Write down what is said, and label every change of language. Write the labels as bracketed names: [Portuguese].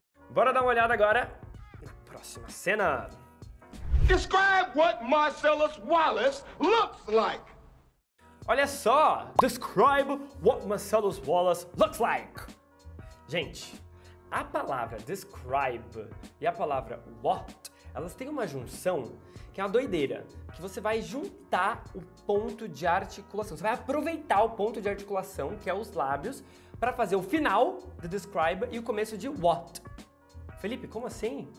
[Portuguese] Bora dar uma olhada agora na próxima cena. [English] Describe what Marcellus Wallace looks like. [Portuguese] Olha só! [English] Describe what Marcellus Wallace looks like! [Portuguese] Gente, a palavra describe e a palavra what, elas têm uma junção que é uma doideira, que você vai juntar o ponto de articulação, você vai aproveitar o ponto de articulação, que é os lábios, para fazer o final de describe e o começo de what. Felipe, como assim?